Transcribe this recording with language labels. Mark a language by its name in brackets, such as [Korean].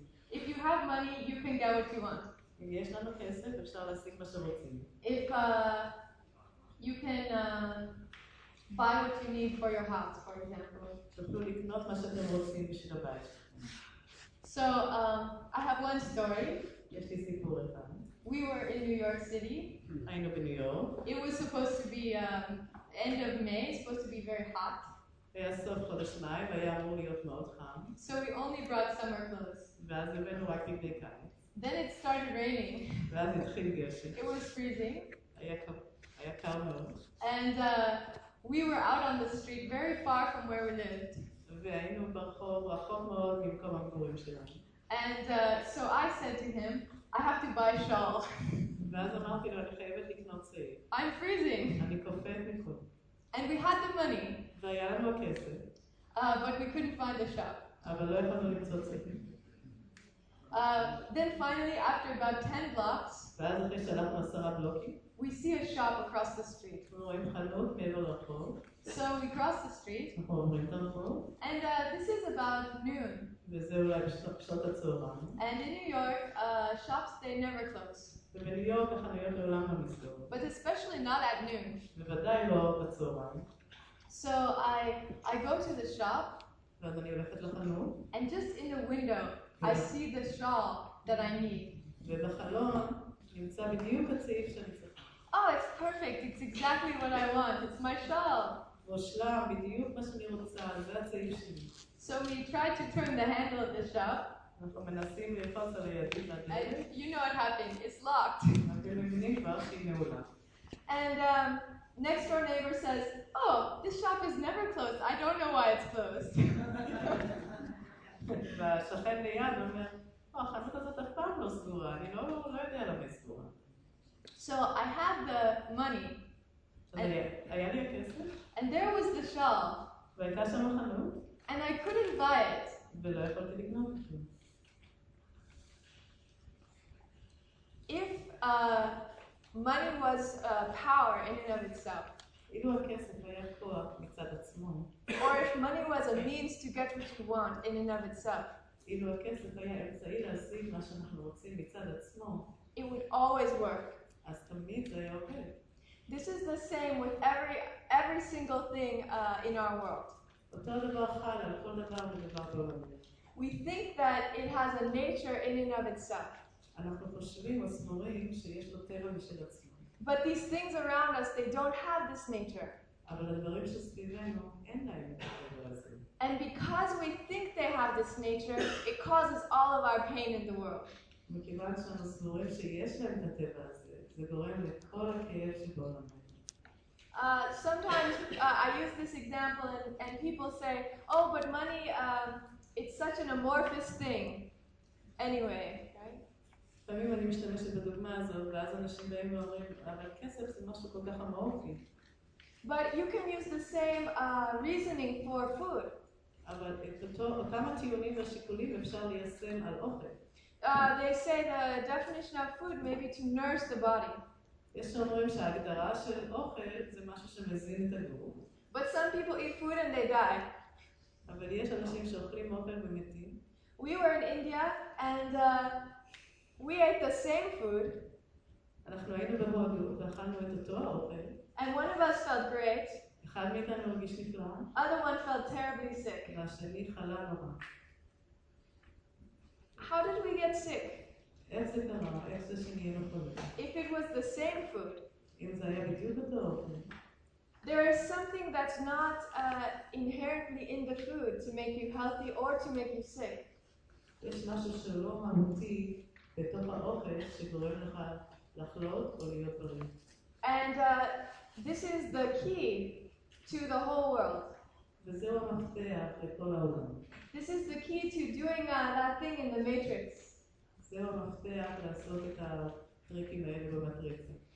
[English] If you have money, you can get what you want. [Hebrew] אם יש לנו כסף, אפשר להשיג מה שרוצים. [English] If you can buy what you need for your house, for example. [Hebrew] תוכלו לקנות מה שאתם רוצים בשביל הבית. [English] So, I have one story. [Hebrew] יש לי סיפור אחד. [English] We were in New York City. [Hebrew] היינו בניו יורק. [English] It was supposed to be end of May, supposed to be very hot. [Hebrew] היה סוף חודש מאי, והיה אמור להיות מאוד חם. [English] So we only brought summer clothes. [Hebrew] ואז הבאנו רק בגדי קיץ. [English] Then it started raining. [Hebrew] ואז התחיל גשם. [English] It was freezing. [Hebrew] היה קר מאוד. [English] And we were out on the street, very far from where we lived. [Hebrew] והיינו ברחוב, רחוב מאוד ממקום המגורים שלנו. [English] And so I said to him, I have to buy a shawl. [Hebrew] ואז אמרתי לו, אני חייבת לקנות שעיר. [English] I'm freezing. [Hebrew] אני קופאת מקום. [English] And we had the money. [Hebrew] והיה לנו הכסף. [English] But we couldn't find the shop. [Hebrew] אבל לא יכולנו למצוא שעיר. [English] Then finally, after about 10 blocks, [Hebrew] ואז אחרי שהלכנו 10 בלוקים, [English] we see a shop across the street. [Hebrew] אנחנו רואים חנות מעבר לרחוב. [English] So we cross the street. [Hebrew] אנחנו עוברים את הרחוב. [English] And this is about noon. [Hebrew] וזה אולי בשעות הצהריים. [English] And in New York, shops, they never close. [Hebrew] ובניו יורק החנויות לעולם לא נסגרות. [English] But especially not at noon. [Hebrew] ובוודאי לא בצהריים. [English] So I go to the shop. [Hebrew] ואז אני הולכת לחנות. [English] And just in the window, I see the shawl that I need. [Hebrew] ובחלון נמצא בדיוק הצעיף שאני צריכה. [English] Oh, it's perfect. It's exactly what I want. It's my shawl. [Hebrew] מושלם, בדיוק מה שאני רוצה. זה הצעיף שלי. [English] So we try to turn the handle of the shop. [Hebrew] אנחנו מנסים לפוס על הידים לדלת. [English] And you know what happened. It's locked. [Hebrew] אתם מבינים כבר שהיא נעולה. [English] And next door neighbor says, oh, this shop is never closed. I don't know why it's closed. [Hebrew] והשכן ליד אומר, או, החנות הזאת אף פעם לא סגורה, אני לא יודע למה סגורה. [English] So I had the money. [Hebrew] היה לי הכסף. [English] And there was the shawl. [Hebrew] והייתה שם החנות. [English] And I couldn't buy it. [Hebrew] ולא יכולתי לקנות את זה. [English] If money was power in and of itself. [Hebrew] אילו הכסף היה כוח מצד עצמו. [English] Or if money was a means to get what you want in and of itself. [Hebrew] אילו הכסף היה אמצעי להשיג מה שאנחנו רוצים מצד עצמו. [English] It would always work. [Hebrew] אז תמיד זה היה עובד. [English] This is the same with every single thing in our world. [Hebrew] אותו דבר חל על כל דבר ודבר בעולם. [English] We think that it has a nature in and of itself. [Hebrew] אנחנו חושבים או סבורים שיש לו טבע משל עצמו. [English] But these things around us, they don't have this nature. [Hebrew] אבל הדברים שסביבנו אין להם את הדבר הזה. [English] And because we think they have this nature, it causes all of our pain in the world. [Hebrew] מכיוון שאנחנו סבורים שיש להם את הטבע הזה, זה גורם לכל הכאב שבעולם. [English] Sometimes I use this example and people say, oh, but money, it's such an amorphous thing. Anyway. [Hebrew] לפעמים אני משתמשת בדוגמה הזאת, ואז אנשים באים ואומרים, אבל כסף זה משהו כל כך אמורפי. [English] But you can use the same reasoning for food. [Hebrew] אבל אותם הטיעונים והשיקולים אפשר ליישם על אוכל. [English] They say the definition of food may be to nourish the body. [Hebrew] יש שאומרים שההגדרה של אוכל זה משהו שמזין את הגוף. [English] But some people eat food and they die. [Hebrew] אבל יש אנשים שאוכלים אוכל ומתים. [English] We were in India and we ate the same food. [Hebrew] אנחנו היינו בהודו ואכלנו את אותו האוכל. [English] And one of us felt great. [Hebrew] אחד מאיתנו הרגיש נפלא. [English] Other one felt terribly sick. [Hebrew] והשני חלה נורא. [English] How did we get sick? [Hebrew] איך זה קרה? איך זה שנהיינו חולים? [English] If it was the same food. [Hebrew] אם זה היה בדיוק אותו האוכל. [English] There is something that's not inherently in the food to make you healthy or to make you sick. [Hebrew] יש משהו שלא מהותי בתוך האוכל שגורם לך לחלות או להיות בריא. [English] And this is the key to the whole world. [Hebrew] וזה המפתח לכל העולם. [English] This is the key to doing that thing in the matrix. [Hebrew] זה המפתח לעשות את הטריקים האלה במטריקה.